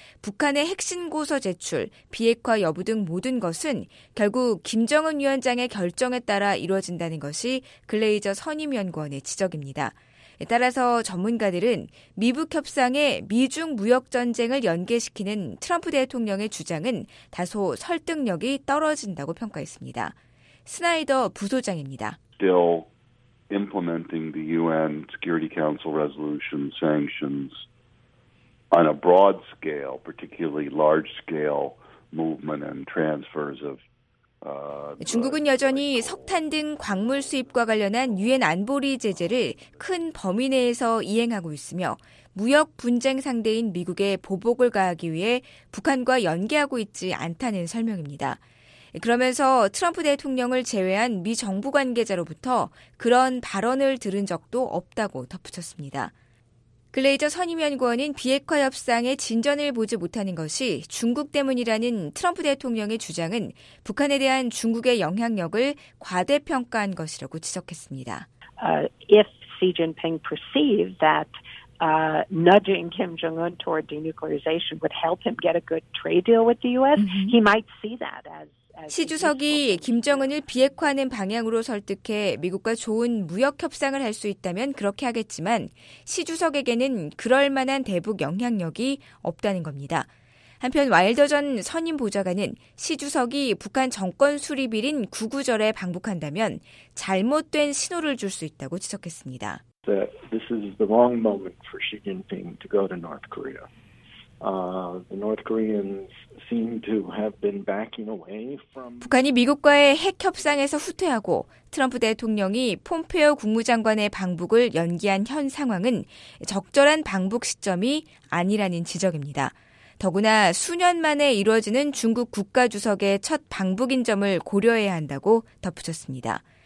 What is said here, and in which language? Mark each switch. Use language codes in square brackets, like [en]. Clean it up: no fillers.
[ko] 북한의 핵신고서 제출, 비핵화 여부 등 모든 것은 결국 김정은 위원장의 결정에 따라 이루어진다는 것이 글레이저 선임연구원의 지적입니다. 따라서 전문가들은 미북 협상에 미중 무역 전쟁을 연계시키는 트럼프 대통령의 주장은 다소 설득력이 떨어진다고 평가했습니다. 스나이더 부소장입니다. [en] Still implementing the UN Security Council resolution sanctions on a broad scale, particularly large scale movement and transfers of [ko] 중국은 여전히 석탄 등 광물 수입과 관련한 유엔 안보리 제재를 큰 범위 내에서 이행하고 있으며 무역 분쟁 상대인 미국에 보복을 가하기 위해 북한과 연계하고 있지 않다는 설명입니다. 그러면서 트럼프 대통령을 제외한 미 정부 관계자로부터 그런 발언을 들은 적도 없다고 덧붙였습니다. 글레이저 선임연구원은 비핵화 협상의 진전을 보지 못하는 것이 중국 때문이라는 트럼프 대통령의 주장은 북한에 대한 중국의 영향력을 과대평가한 것이라고 지적했습니다. [en] If Xi Jinping perceived that nudging Kim Jong-un toward denuclearization would help him get a good trade deal with the U.S., he might see that as [ko] 시 주석이 김정은을 비핵화하는 방향으로 설득해 미국과 좋은 무역 협상을 할 수 있다면 그렇게 하겠지만 시 주석에게는 그럴 만한 대북 영향력이 없다는 겁니다. 한편 와일더 전 선임 보좌관은 시 주석이 북한 정권 수립일인 99절에 방북한다면 잘못된 신호를 줄 수 있다고 지적했습니다. [en] This is the wrong moment for Xi Jinping to go to North Korea. The North Koreans seem to have been backing away from [ko] 북한이 미국과의 핵 협상에서 후퇴하고 트럼프 대통령이 폼페이오 국무장관의 방북을 연기한 현 상황은 적절한 방북 시점이 아니라는 지적입니다. 더구나 수년 만에 이루어지는 중국 국가 주석의 첫 방북인 점을 고려해야 한다고 덧붙였습니다.